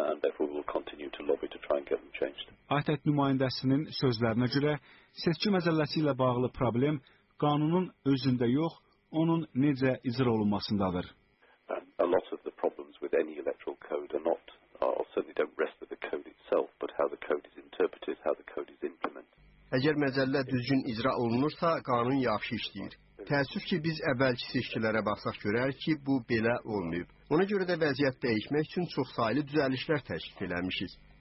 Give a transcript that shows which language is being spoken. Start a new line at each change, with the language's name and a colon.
Azerbaijani: ATƏT nümayəndəsinin sözlərinə görə, seçki məcəlləsi ilə bağlı problem qanunun özündə yox, onun necə icra olunmasındadır.
English: A lot of the problems with any electoral code are not, certainly don't rest with the code itself, but how the code is interpreted, how the code is implemented.
Azerbaijani: Əgər məcəllə düzgün icra olunursa, qanun yaxşı işləyir. Təəssüf ki, biz əvvəlki seçkilərə baxsaq görər ki, bu belə olmayıb. Ona görə də vəziyyət dəyişmək üçün çoxsaylı düzəlişlər təşkil eləmişiz.